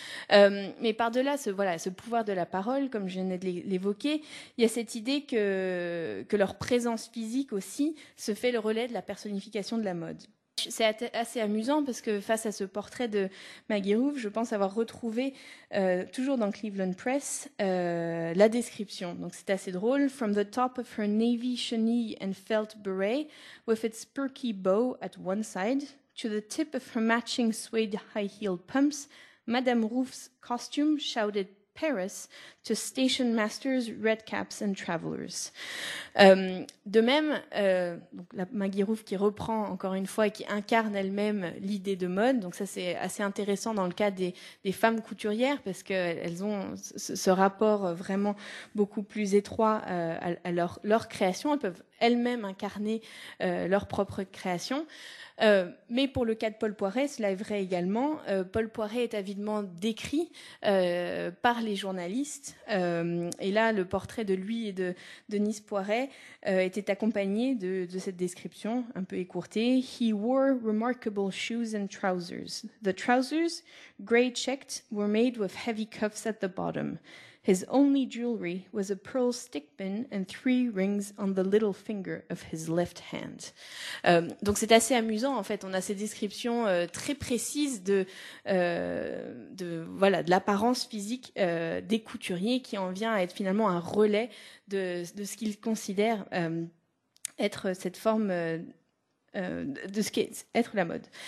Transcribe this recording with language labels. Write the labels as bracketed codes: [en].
[fr] Mais par-delà ce pouvoir de la parole, comme je venais de l'évoquer, il y a cette idée que leur présence physique aussi se fait le relais de la personnification de la mode. C'est assez amusant parce que face à ce portrait de Maggie Roof, je pense avoir retrouvé, toujours dans Cleveland Press, la description. Donc c'est assez drôle. [en] From the top of her navy chenille and felt beret, with its perky bow at one side, to the tip of her matching suede high-heeled pumps, Madame Roof's costume shouted Paris to station masters, red caps and travelers. [fr] De même, donc la Maggie Roof qui reprend encore une fois et qui incarne elle-même l'idée de mode, donc ça c'est assez intéressant dans le cas des femmes couturières parce qu'elles ont ce rapport vraiment beaucoup plus étroit à leur création, elles peuvent elles-mêmes incarner leur propre création. Mais pour le cas de Paul Poiret, cela est vrai également. Paul Poiret est avidement décrit par les journalistes. Et là, le portrait de lui et de Denise Poiret était accompagné de cette description un peu écourtée. [en] He wore remarkable shoes and trousers. The trousers, grey checked, were made with heavy cuffs at the bottom. His only jewelry was a pearl stickpin and three rings on the little finger of his left hand. [fr] Donc c'est assez amusant en fait. On a ces descriptions très précises de l'apparence physique des couturiers qui en vient à être finalement un relais de ce qu'ils considèrent être cette forme de ce qu'est être la mode.